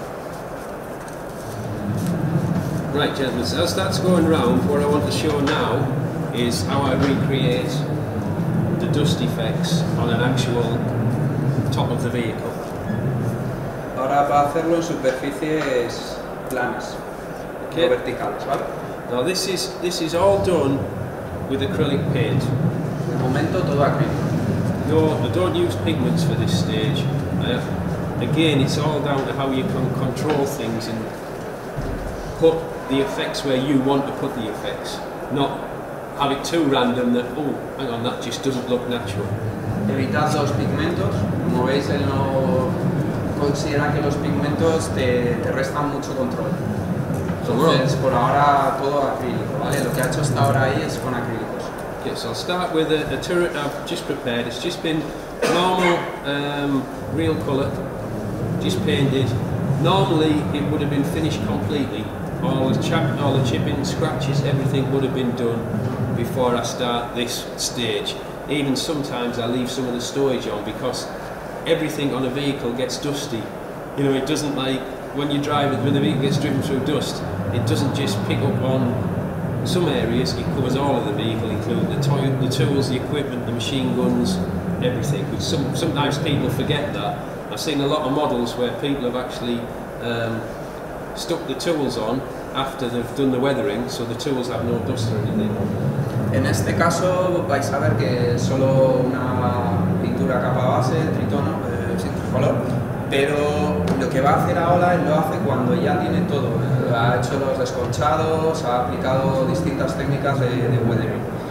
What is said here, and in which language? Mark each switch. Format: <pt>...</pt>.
<en>Right, gentlemen, so as that's going round, what I want to show now is how I recreate the dust effects on an actual top of the vehicle.</en> <es>Ahora va a hacerlo en superficies planas, okay. No verticales, ¿vale?</es> <en>Now this is all done with acrylic paint.</en> <es>De momento todo acrílico.</es> <en>No, I don't use pigments for this stage. Again, it's all down to how you can control things and put the effects where you want to put the effects, not have it too random that, oh, hang on, that just doesn't look natural.</en> <es>Evitad los pigmentos. Como veis, él no considera que los pigmentos te restan mucho control. Entonces, por ahora, todo acrílico, ¿vale? Lo que ha hecho hasta ahora ahí es con acrílicos.</es> <en>Okay, so I'll start with a turret I've just prepared. It's just been normal, real colour, just painted. Normally, it would have been finished completely. All the chipping, scratches, everything would have been done before I start this stage. Even sometimes I leave some of the storage on because everything on a vehicle gets dusty. You know, it doesn't like, when you drive it, when the vehicle gets driven through dust, it doesn't just pick up on some areas, it covers all of the vehicle, including the tools, the equipment, the machine guns, everything. But sometimes people forget that. I've seen a lot of models where people have actually stuck the tools on after they've done the weathering, so the tools have no dust or anything.</en> <es>En este caso vais a ver que solo una pintura capa base, tritono, sin color, pero lo que va a hacer ahora él lo hace cuando ya tiene todo. Ha hecho los desconchados, ha aplicado distintas técnicas de weathering.</es>